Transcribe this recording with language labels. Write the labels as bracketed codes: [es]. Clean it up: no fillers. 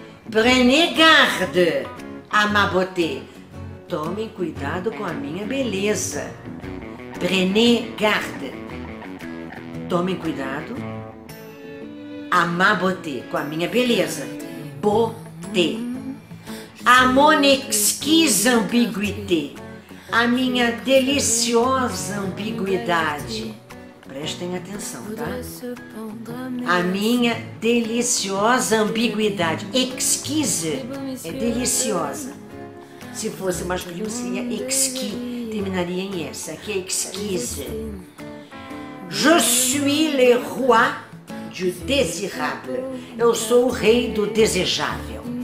[fr] Prenez garde à ma beauté. [pt] Tomem cuidado com a minha beleza. [fr] Prenez garde. [pt] Tomem cuidado [fr] à ma beauté, [pt] com a minha beleza. Beauté. [fr] À mon exquise ambiguïté. [pt] A minha deliciosa ambiguidade. Prestem atenção, tá? A minha deliciosa ambiguidade. Exquise é deliciosa. Se fosse masculino, seria exquis. Terminaria em S. Aqui é exquise. [fr] Je suis le roi du désirable. [pt] Eu sou o rei do desejável.